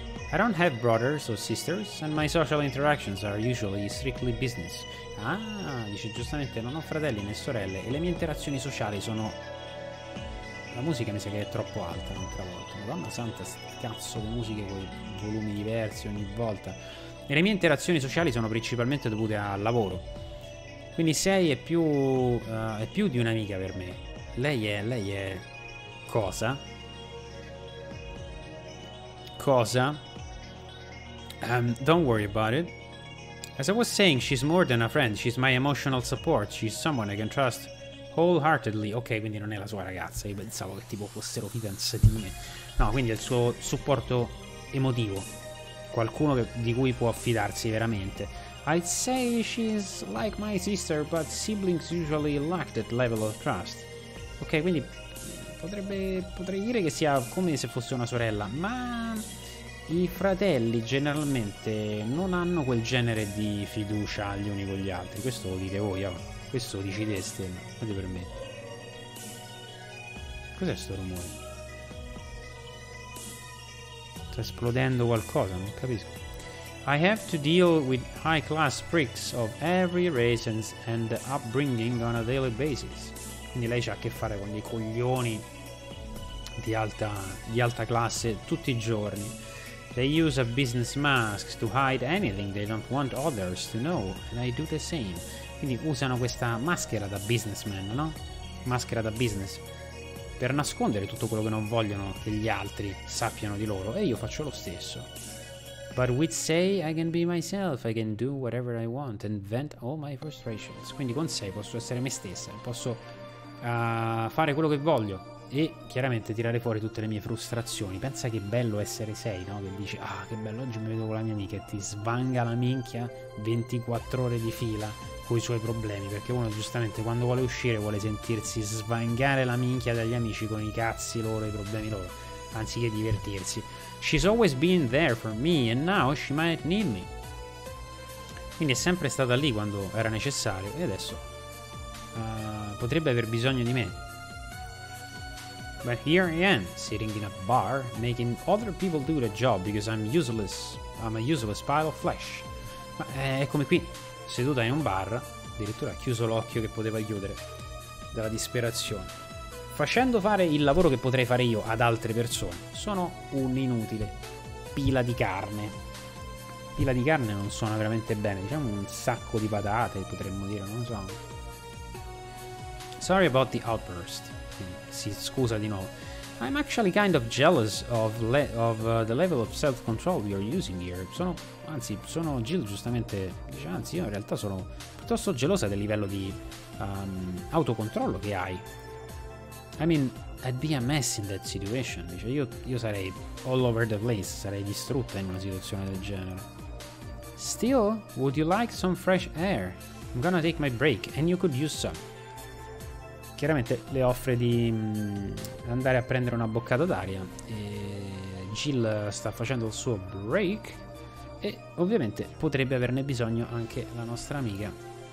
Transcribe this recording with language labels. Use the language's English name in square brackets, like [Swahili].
[English] I don't have brothers or sisters, and my social interactions are usually strictly business. [Italian] Ah, dice giustamente, non ho fratelli né sorelle, e le mie interazioni sociali sono... La musica mi sa che è troppo alta un'altra volta. Madonna santa, cazzo di musiche con volumi diversi ogni volta. E le mie interazioni sociali sono principalmente dovute al lavoro. Quindi Sei è più di un'amica per me. Lei è... Cosa? [English] Cosa? Don't worry about it. As I was saying, she's more than a friend. She's my emotional support. She's someone I can trust wholeheartedly. [Italian] Ok, quindi non è la sua ragazza. Io pensavo che tipo fossero fidanzatine. No, quindi è il suo supporto emotivo. Qualcuno di cui può affidarsi veramente. [English] I'd say she's like my sister, but siblings usually lack that level of trust. [Italian] Ok, quindi potrei dire che sia come se fosse una sorella, ma i fratelli generalmente non hanno quel genere di fiducia gli uni con gli altri. Questo lo dite voi, oh. Questo lo decideste, non ti permetto. Cos'è sto rumore? Sta esplodendo qualcosa, non capisco. [English] I have to deal with high class pricks of every race and upbringing on a daily basis. [Italian] Quindi lei c'ha a che fare con dei coglioni di alta classe tutti i giorni. [English] They use a business mask to hide anything they don't want others to know, and I do the same. [Italian] Quindi usano questa maschera da businessman, no? Maschera da business, per nascondere tutto quello che non vogliono che gli altri sappiano di loro, e io faccio lo stesso. [English] But with Sei I can be myself, I can do whatever I want and vent all my frustrations. [Italian] Quindi con Sei posso essere me stessa, posso fare quello che voglio e chiaramente tirare fuori tutte le mie frustrazioni. Pensa che bello essere Sei, no? Che dici, ah, che bello, oggi mi vedo con la mia amica, e ti svanga la minchia 24 ore di fila con i suoi problemi, perché uno giustamente quando vuole uscire vuole sentirsi svangare la minchia dagli amici con i cazzi loro, i problemi loro, anziché divertirsi. [English] She's always been there for me and now she might need me. [Italian] Quindi è sempre stata lì quando era necessario e adesso potrebbe aver bisogno di me. [English] But here I am, sitting in a bar, making other people do the job because I'm useless. I'm a useless pile of flesh. [Italian] Ma eccomi qui, seduta in un bar, addirittura ha chiuso l'occhio che poteva chiudere dalla disperazione, facendo fare il lavoro che potrei fare io ad altre persone. Sono un inutile, pila di carne. Pila di carne non suona veramente bene, diciamo un sacco di patate, potremmo dire, non so. [English] Sorry about the outburst. [Italian] Si scusa di nuovo. [English] I'm actually kind of jealous of the level of self-control you're using here. [Italian] Sono Jill giustamente dice, anzi io in realtà sono piuttosto gelosa del livello di autocontrollo che hai. [English] I mean, I'd be a mess in that situation. [Italian] Dice, io sarei [English] all over the place, [Italian] sarei distrutta in una situazione del genere. [English] Still, would you like some fresh air? I'm gonna take my break and you could use some. [Italian] Chiaramente le offre di andare a prendere una boccata d'aria e Jill sta facendo il suo break e ovviamente potrebbe averne bisogno anche la nostra amica.